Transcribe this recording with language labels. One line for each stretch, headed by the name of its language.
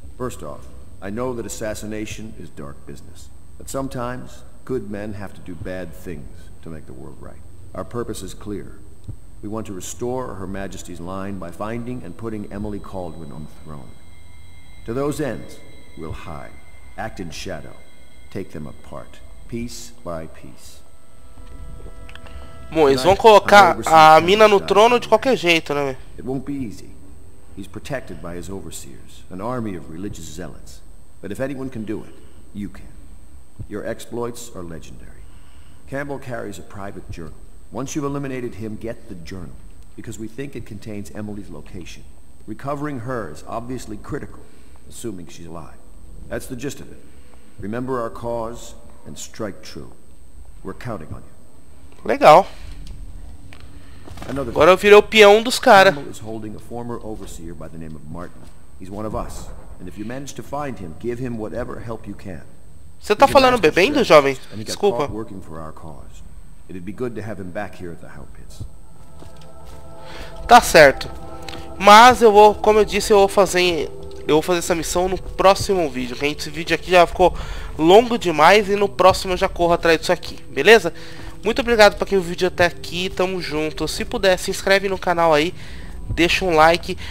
English: First off, I know that assassination is dark business, but sometimes good men have to do bad things to make the world right. Our purpose is clear. We want to restore Her Majesty's line by finding and putting Emily Caldwin on the throne. To those ends, we'll hide, act in shadow, take them apart, piece by piece.
Portuguese: Bom, eles vão colocar a mina no trono de qualquer jeito, né?
English: It won't be easy, He's protected by his overseers, an army of religious zealots. But if anyone can do it, you can. Your exploits are legendary. Campbell carries a private journal. Once you've eliminated him, get the journal, because we think it contains Emily's location. Recovering her is obviously critical, assuming she's alive. That's the gist of it. Remember our cause and strike true. We're counting on you.
Portuguese: Legal. Agora eu virei o peão dos caras.
English: Campbell is holding a former overseer by the name of Martin. He's one of us. And if you manage to find him, give him whatever help you can.
Portuguese: Você tá falando bebendo, jovem? Desculpa.
English: Working for our cause. It'd be good to have him back here at the Hell Pits.
Portuguese: Tá certo. Mas eu vou, como eu disse, eu vou fazer essa missão no próximo vídeo. Gente, esse vídeo aqui já ficou longo demais e no próximo eu já corro atrás disso aqui, beleza? Muito obrigado para quem viu o vídeo até aqui, tamo junto. Se puder, se inscreve no canal aí, deixa um like.